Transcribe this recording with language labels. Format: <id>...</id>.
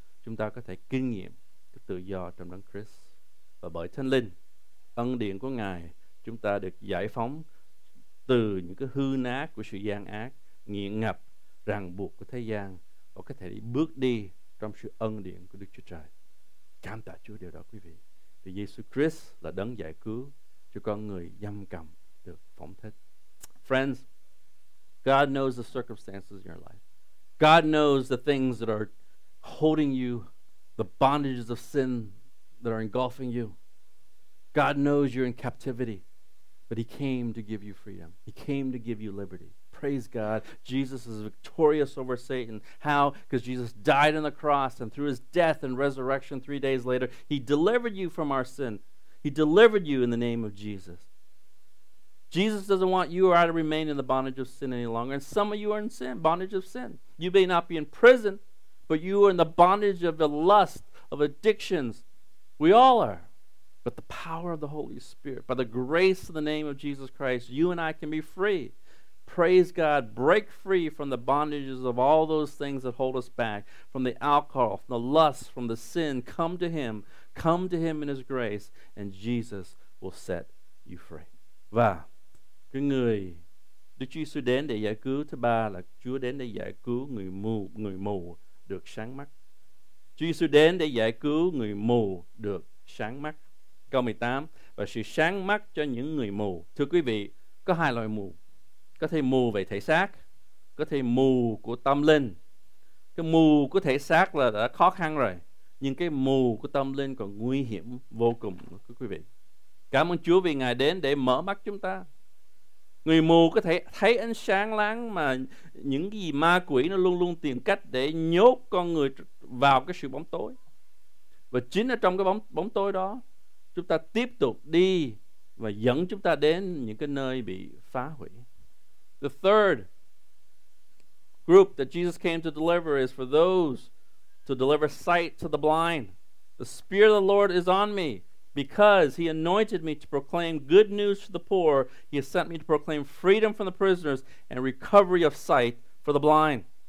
<vi>Chúng ta có thể kinh nghiệm tự do trong Đấng Christ. Và bởi Thánh Linh, ân điển của Ngài, chúng ta được giải phóng từ những cái hư nát của sự gian ác, nghiện ngập, ràng buộc của thế gian, và có thể bước đi trong sự ân điển của Đức Chúa Trời. Cảm tạ Chúa điều đó quý vị. Vì Jesus Christ là đấng giải cứu cho con người giam cầm được phóng thích.</vi> <en>Friends, God knows the circumstances in your life. God knows the things that are holding you, the bondages of sin that are engulfing you. God knows you're in captivity, but he came to give you freedom. He came to give you liberty. Praise God. Jesus is victorious over Satan. How? Because Jesus died on the cross, and through his death and resurrection 3 days later, he delivered you from our sin. He delivered you in the name of Jesus. Jesus doesn't want you or I to remain in the bondage of sin any longer. And some of you are in sin, bondage of sin. You may not be in prison, but you are in the bondage of the lust of addictions. We all are. But the power of the Holy Spirit, by the grace of the name of Jesus Christ, you and I can be free. Praise God, break free from the bondages of all those things that hold us back, from the alcohol, from the lust, from the sin. Come to him in his grace, and Jesus will set you free.</en> <vi>Và cái người Đức Chúa Jesus đến để giải cứu, thứ ba là Chúa đến để giải cứu người mù được sáng mắt. Chúa Jesus đến để giải cứu người mù được sáng mắt. Câu 18, và sự sáng mắt cho những người mù. Thưa quý vị, có hai loại mù. Có thể mù về thể xác, có thể mù của tâm linh. Cái mù của thể xác là đã khó khăn rồi, nhưng cái mù của tâm linh còn nguy hiểm vô cùng nữa quý vị. Cảm ơn Chúa vì Ngài đến để mở mắt chúng ta. Người mù có thể thấy ánh sáng láng, mà những gì ma quỷ nó luôn luôn tìm cách để nhốt con người vào cái sự bóng tối. Và chính ở trong cái bóng tối đó, chúng ta tiếp tục đi và dẫn chúng ta đến những cái nơi bị phá hủy.</vi> <en>The third group that Jesus came to deliver is for those to deliver sight to the blind. The Spirit of the Lord is on me because he anointed me to proclaim good news to the poor. He has sent me to proclaim freedom from the prisoners and recovery of sight for the blind.</en>